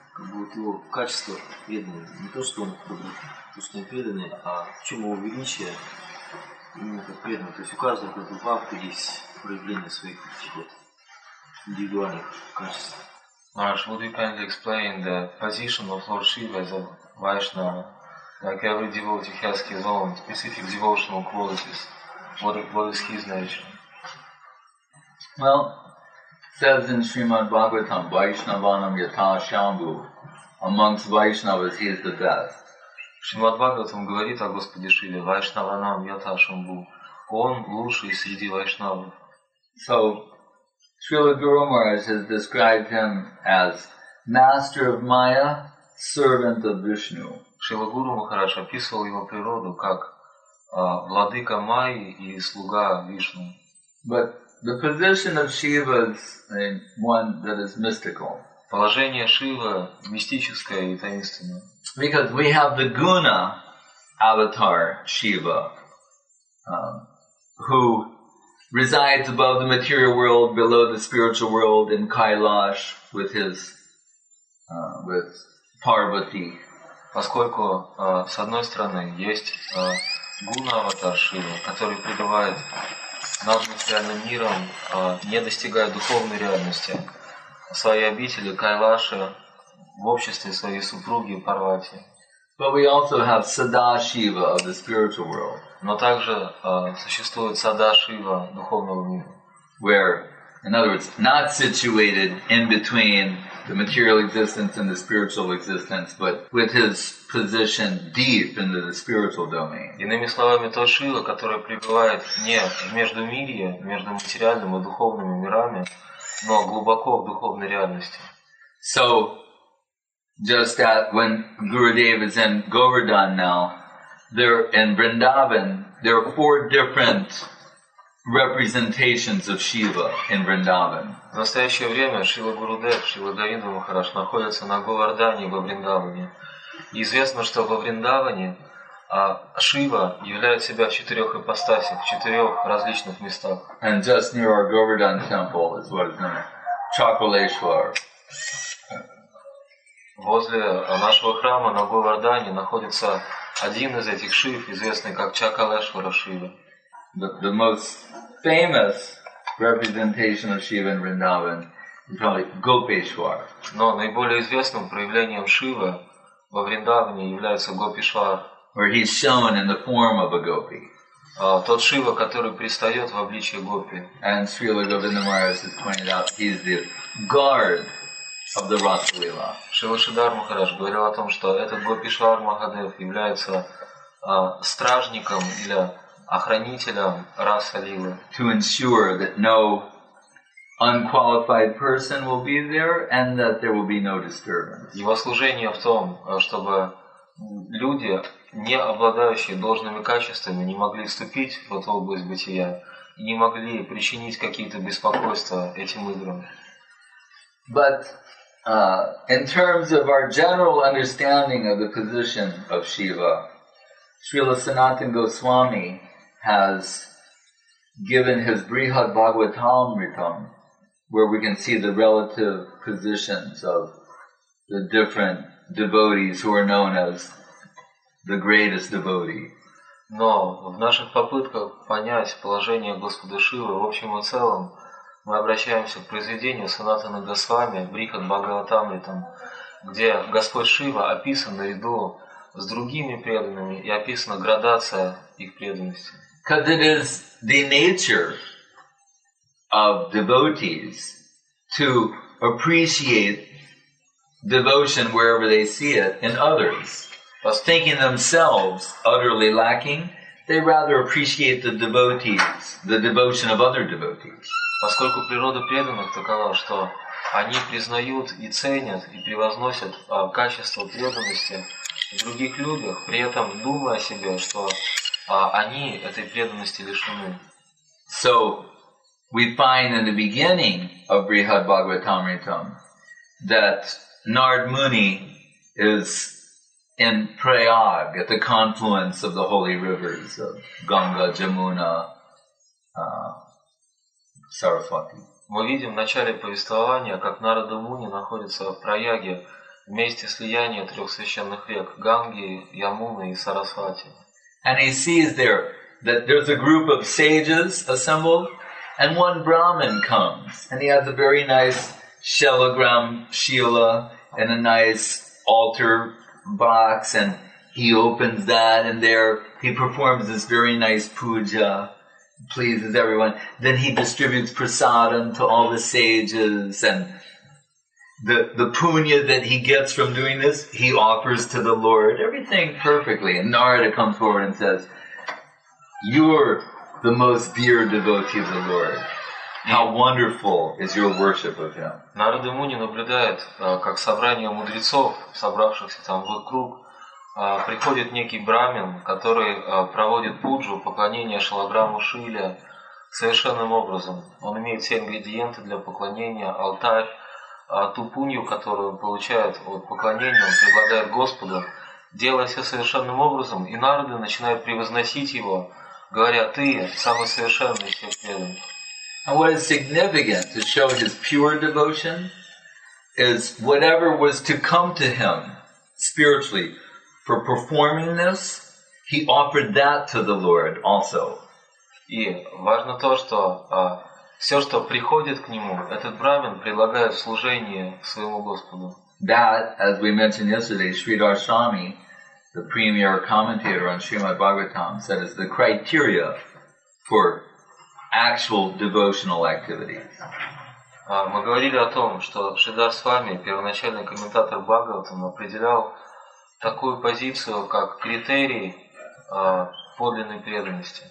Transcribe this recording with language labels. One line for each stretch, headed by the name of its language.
Russian: Вот его качество преданное. Не то, что он добрый, то, что он преданный, а в чем его величие именно как преданный. То есть у каждого как бы папы есть проявление своих индивидуальных качеств.
English: Marsh, would you kindly explain the position of Lord Shiva as a Vaishnava? Like every devotee has his own specific devotional qualities. What is his nature? Well, says in Srimad Bhagavatam,
Sanskrit: Vaishnavanam yata shambhu.
English: Amongst Vaishnavas, he is the best.
Russian: Srimad Bhagavatam говорит о Господе Шиве,
Sanskrit: Vaishnavanam yata shambhu.
Russian: Он лучший среди Vaishnava.
English: So, Srila Guru Maharaj has described him as master of Maya, servant of Vishnu.
Russian: Srila Guru Maharaj описывал его природу как владыка Майи и слуга Вишну.
English: But the position of Shiva is one that is mystical.
Russian: Положение Шивы мистическое и таинственное.
English: Because we have the guna avatar Shiva, who resides above the material world, below the spiritual world in Kailash with his with Parvati.
Russian: Поскольку с одной стороны есть гуна аватар Шивы, который пребывает над материальным миром, не достигая духовной реальности, своей обители Кайлаша в обществе своей супруги Парвати.
English: But we also have Sada Shiva of the spiritual world.
Russian: Но также существует Сада Шива духовного мира.
English: Where, in other words, not situated in between the material existence and the spiritual existence, but with his position deep into the spiritual domain.
Russian: Иными словами, тот Шива, который пребывает не между мире, между материальным и духовными мирами, но глубоко в духовной реальности.
English: So, just that when Gurudev is in Govardhan now, there in Vrindavan, there are four different representations of Shiva in Vrindavan.
Russian: В настоящее время Шрила Гурудев, Шрила Говинда Махарадж находится на Говардане во Вриндаване. И известно, что во Вриндаване Шива являет себя в четырех ипостасях, в четырех различных местах.
English: And just near our Govardhan temple is what is known as Chakaleshwar.
Russian: Возле нашего храма на Говардане находится один из этих Шив, известный как Чакалешвара Шива.
English: The most famous representation of Shiva in Vrindavan is probably Gopeshwar.
Russian: Но наиболее известным проявлением Шивы во Вриндаване является Гопишвар.
English: Where he's shown in the form of a gopi.
Russian: Тот Шива, который предстает в обличье гопи.
English: And Srila Govinda Maharaj has pointed out he's the guard of the Rasalila.
Russian: Шрила Шридхар Махарадж говорил о том, что этот Гопишвар Махадев является стражником или охранителем Расалилы.
English: To ensure that no unqualified person will be there and that there will be no disturbance.
Russian: Его служение в том, чтобы люди, не обладающие должными качествами, не могли вступить в эту область бытия и не могли причинить какие-то беспокойства этим играм.
English: But in terms of our general understanding of the position of Shiva, Srila Sanatana Goswami has given his Brihad Bhagavatamritam, where we can see the relative positions of the different devotees who are known as the greatest devotee.
Russian: Но в наших попытках понять положение Господа Шивы в общем и целом, мы обращаемся к произведению Санатана Госвами Брихад Бхагаватамритам, где Господь Шива описан наряду с другими преданными и описана градация их преданности.
English: Because it is the nature of devotees to appreciate devotion wherever they see it in others. But thinking themselves utterly lacking, they rather appreciate the devotees, the devotion of other devotees.
Russian: Поскольку природа преданных такова, что они признают и ценят и превозносят качество преданности в других людях, при этом думая о себе, что они этой преданности лишены.
English: So, we find in the beginning of Brihad Bhagavatamritam that Nard Muni is in Prayag, at the confluence of the holy rivers of Ganga, Jamuna, Saraswati.
Russian: Мы видим в начале повествования, как Нарада Муни находится в Праяге, в месте слияния трех священных рек – Ганги, Ямуны и Сарасвати.
English: And he sees there that there's a group of sages assembled, and one Brahmin comes, and he has a very nice shalagram shila and a nice altar box, and he opens that, and there he performs this very nice puja, pleases everyone. Then he distributes prasadam to all the sages, and the punya that he gets from doing this, he offers to the Lord, everything perfectly. And Narada comes forward and says, "You're the most dear devotee of the Lord. How wonderful is your worship of him."
Russian: Нарада Муни наблюдает, как собрание мудрецов, собравшихся там в круг, приходит некий брамин, который проводит пуджу, поклонение шалаграму Шиле совершенным образом. Он имеет все ингредиенты для поклонения, алтарь, ту пунью, которую он получает от поклонения, он предлагает Господу, делая все совершенным образом, и народы начинают превозносить его, говоря: «Ты самый совершенный из всех преданных».
English: And what is significant to show his pure devotion is whatever was to come to him spiritually for performing this, he offered that to the Lord also.
Russian: И важно то, что все, что приходит к нему, этот брамин предлагает служение своему Господу.
English: That, as we mentioned yesterday, Sridhar Swami, the premier commentator on Srimad Bhagavatam, said is the criteria for actual devotional activity.
Russian: Мы говорили о том, что Шридхар Свами, первоначальный комментатор Бхагаватам, определял такую позицию как критерий подлинной преданности.